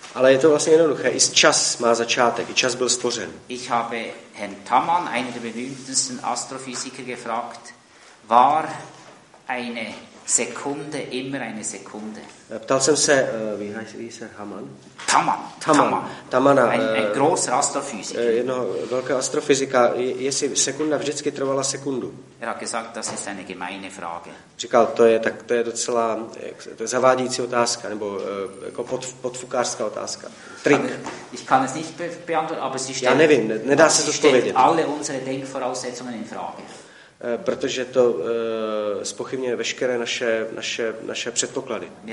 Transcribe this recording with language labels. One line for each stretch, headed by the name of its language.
Czech: Ale je to vlastně jednoduché. I čas má začátek. I čas byl stvořen.
German: Ich habe Herrn Tammann, einer der berühmtesten Astrophysiker, gefragt, war eine Sekunde immer eine Sekunde.
Czech: Ptal jsem se,
German: wie heißt er,
Czech: Tammann?
German: Tammann. Ein großer Astrophysiker.
Czech: Jednoho velkého astrofyzika, jestli sekunda vždycky trvala sekundu.
German: Er hat gesagt, das ist eine gemeine Frage.
Czech: Říkal, to je docela to je zavádějící otázka, nebo jako podfukářská otázka. Trik.
German: Ich kann es nicht beantworten, aber sie stellt,
Czech: já nevím, nedá se to odpovědět.
German: Alle unsere Denkvoraussetzungen in Frage.
Czech: Protože to zpochybňuje veškeré naše předpoklady.